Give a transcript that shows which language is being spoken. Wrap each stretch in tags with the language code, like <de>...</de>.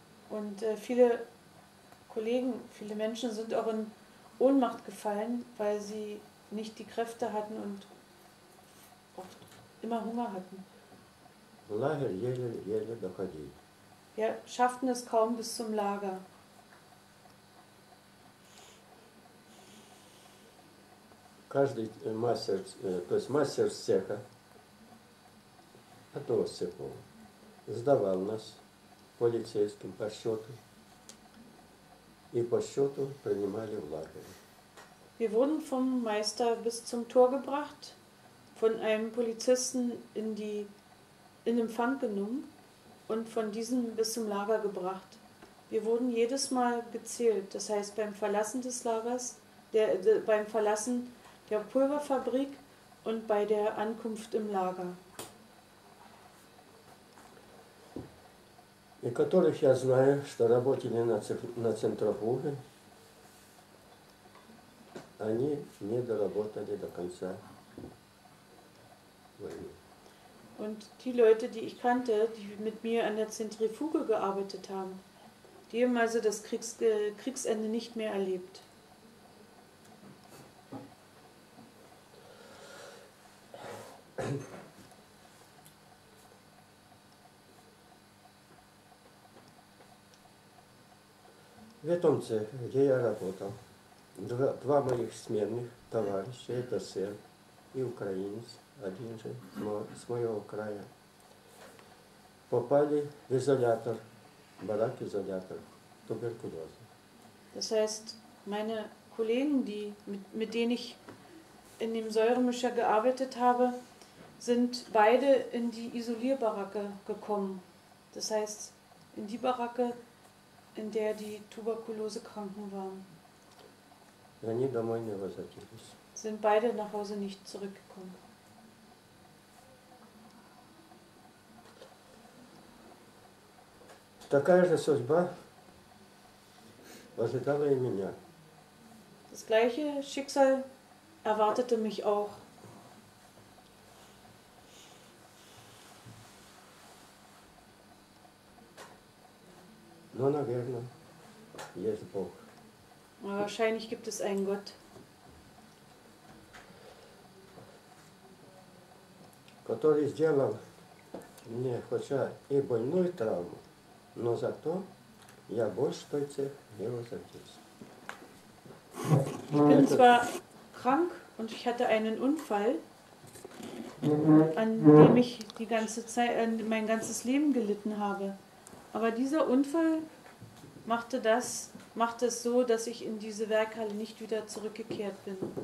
<de>Und viele Kollegen, viele Menschen sind auch in Ohnmacht gefallen, weil sie nicht die Kräfte hatten und oft immer Hunger hatten.</de> <ru>Lager еле доходили.</ru> <de>Wir schafften es kaum bis zum Lager.</de> <ru>Каждый мастер, то есть мастер цеха, этого цеха, сдавал нас полицейским по счету и по счету принимали в лагерь.</ru> <de>Wir wurden vom Meister bis zum Tor gebracht, von einem Polizisten in Empfang genommen und von diesem bis zum Lager gebracht. Wir wurden jedes Mal gezählt, das heißt beim Verlassen des Lagers, beim Verlassen der Pulverfabrik und bei der Ankunft im Lager.</de> <ru>И которых я знаю, что работали на центрофуге, они не доработали до конца войны.</ru> <de>Und die Leute, die ich kannte, die mit mir an der Zentrifuge gearbeitet haben, die haben also das Kriegsende nicht mehr erlebt.</de> <ru>В этом цехе, где я работал, два моих сменных товарища, это сэр и украинец, один же, с моего края, попали в изолятор, барак-изолятор, туберкулез.</ru> <de>Das heißt, meine Kollegen, die, mit denen ich in dem Säuremischer gearbeitet habe, sind beide in die Isolierbaracke gekommen. Das heißt, in die Baracke, in der die Tuberkulose-Kranken waren.</de> <ru>Они домой не возвратились.</ru> <de>Sind beide nach Hause nicht zurückgekommen.</de> <ru>Такая же судьба ожидала и меня.</ru> <de>Das gleiche Schicksal erwartete mich auch.</de> <ru>Но, наверное, есть Бог.</ru> <de>Wahrscheinlich gibt es einen Gott.</de> <ru>Который сделал мне хотя и больную травму, но зато я больше той цех не возвратился.</ru> <de>Ich bin zwar krank und ich hatte einen Unfall, an dem ich die ganze Zeit, mein ganzes Leben gelitten habe. Aber dieser Unfall machte es so, dass ich in diese Werkhalle nicht wieder zurückgekehrt bin.</de>